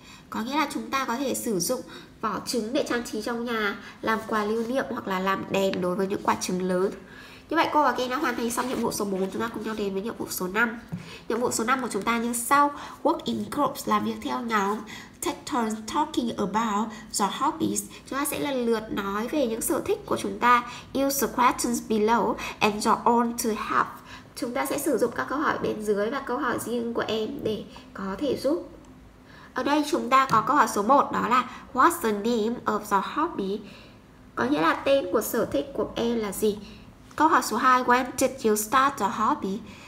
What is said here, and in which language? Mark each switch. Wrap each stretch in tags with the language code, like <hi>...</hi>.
<vi>Có nghĩa là chúng ta có thể sử dụng vỏ trứng để trang trí trong nhà, làm quà lưu niệm hoặc là làm đèn đối với những quả trứng lớn. Như vậy cô và Kim đã hoàn thành xong nhiệm vụ số 4, chúng ta cùng nhau đến với nhiệm vụ số 5. Nhiệm vụ số 5 của chúng ta như sau.</vi> <en>Work in groups,</en> <vi>làm việc theo nhóm.</vi> <en>Take turns talking about your hobbies.</en> <vi>Chúng ta sẽ lần lượt nói về những sở thích của chúng ta.</vi> <en>Use the questions below and your own to help.</en> <vi>Chúng ta sẽ sử dụng các câu hỏi bên dưới và câu hỏi riêng của em để có thể giúp. Ở đây chúng ta có câu hỏi số 1, đó là</vi> <en>What's the name of your hobby?</en> <vi>Có nghĩa là tên của sở thích của em là gì? Câu hỏi số 2,</vi> <en>When did you start your hobby?</en>